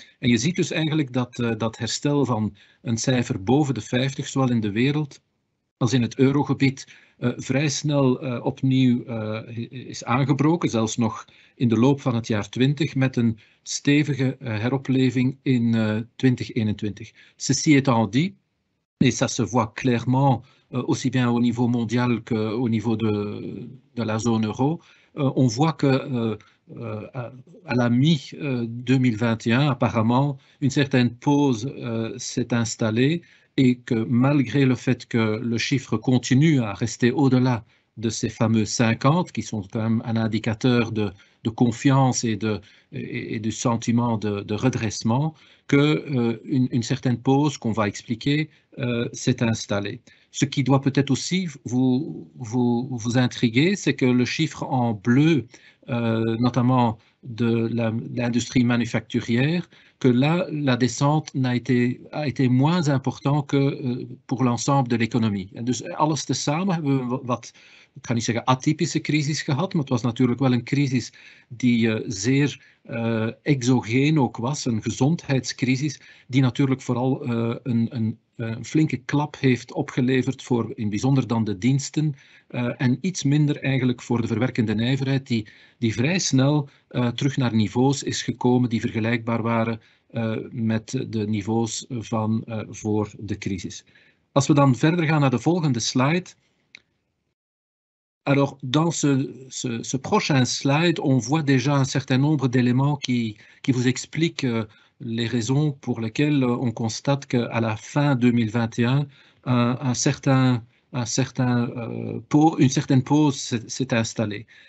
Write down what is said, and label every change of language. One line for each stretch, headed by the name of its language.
Dutch: En je ziet dus eigenlijk dat dat herstel van een cijfer boven de 50, zowel in de wereld als in het eurogebied, vrij snel opnieuw is aangebroken, zelfs nog in de loop van het jaar 20, met een stevige heropleving in 2021.
French: Ceci étant dit, et ça se voit clairement aussi bien au niveau mondial qu'au niveau de la zone euro, on voit que à la mi-2021, apparemment, une certaine pause s'est installée. Et que malgré le fait que le chiffre continue à rester au-delà de ces fameux 50, qui sont quand même un indicateur de confiance et du sentiment de redressement, que une certaine pause qu'on va expliquer s'est installée. Ce qui doit peut-être aussi vous intriguer, c'est que le chiffre en bleu, notamment de l'industrie manufacturière, que là, la descente a été moins importante que pour l'ensemble de l'économie.
Dutch: Dus alles tezamen hebben we wat, ik ga niet zeggen atypische crisis gehad, maar het was natuurlijk wel een crisis die zeer exogeen ook was, een gezondheidscrisis, die natuurlijk vooral een flinke klap heeft opgeleverd voor in bijzonder dan de diensten en iets minder eigenlijk voor de verwerkende nijverheid die vrij snel terug naar niveaus is gekomen die vergelijkbaar waren met de niveaus van voor de crisis. Als we dan verder gaan naar de volgende slide.
French: Alors, dans ce prochain slide, on voit déjà un certain nombre d'éléments qui vous expliquent les raisons pour lesquelles on constate qu'à la fin 2021, une certaine pause s'est installée.